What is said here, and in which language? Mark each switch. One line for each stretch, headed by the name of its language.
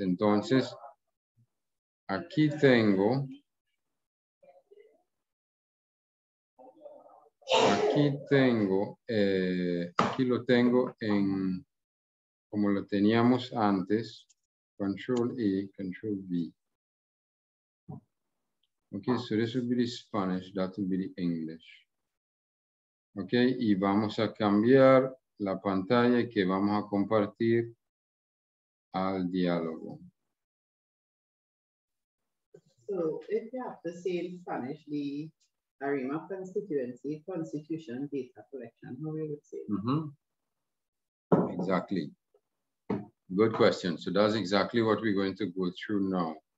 Spanish: Entonces, aquí tengo. Aquí lo tengo en, como lo teníamos antes, Control E, Control V.
English: Okay, so this would be the Spanish, that would be the English.
Spanish: Okay, y vamos a cambiar la pantalla que vamos a compartir al diálogo.
English: So, if you have to say in Spanish, the ARIMA constituency, constitution, data collection, how we would say that? Mm-hmm. Exactly. Good question. So, that's exactly what we're going to go through now.